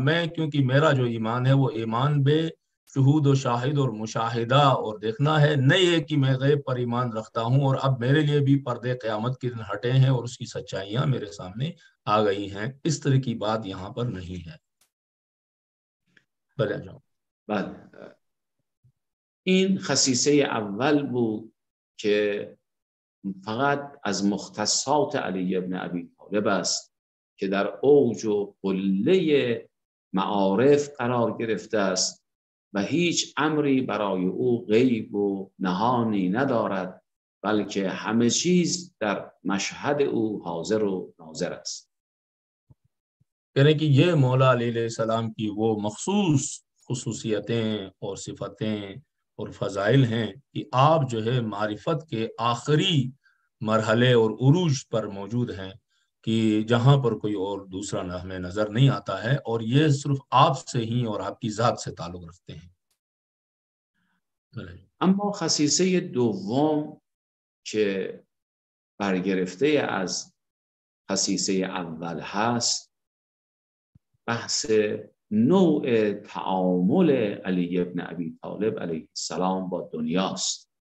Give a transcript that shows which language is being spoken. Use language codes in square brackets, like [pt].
[ur] میں کیونکہ میرا جو ایمان ہے وہ ایمان بے شہود و شاہد اور مشاہدہ اور دیکھنا ہے، نہیں یہ کہ میں غیب پر ایمان رکھتا ہوں اور اب میرے لیے بھی پردے قیامت کے دن ہٹے ہیں اور اس کی سچائیاں میرے سامنے آ گئی ہیں. اس طرح کی بات یہاں پر نہیں ہے. [fa] بله، این خصیصه اول بود که فقط از مختصات علی ابن ابی طالب است که در اوج و قله معارف قرار گرفته است و هیچ امری برای او غیب و نهانی ندارد، بلکه همه چیز در مشهد او حاضر و ناظر است. [ur] کہنے کی یہ مولا علیہ السلام کی وہ مخصوص خصوصیتیں اور صفتیں اور فضائل ہیں کہ آپ جو ہے معرفت کے آخری مرحلے اور عروج پر موجود ہیں، کہ جہاں پر کوئی اور دوسرا ہمیں نظر نہیں آتا ہے، اور یہ صرف آپ سے ہی اور آپ کی ذات سے تعلق رکھتے ہیں. [fa] اما خصیصے دوم کہ برگرفته از خصیصے اول هست، بحث نوع تعامل علی ابن ابی طالب علیه السلام با دنیاست.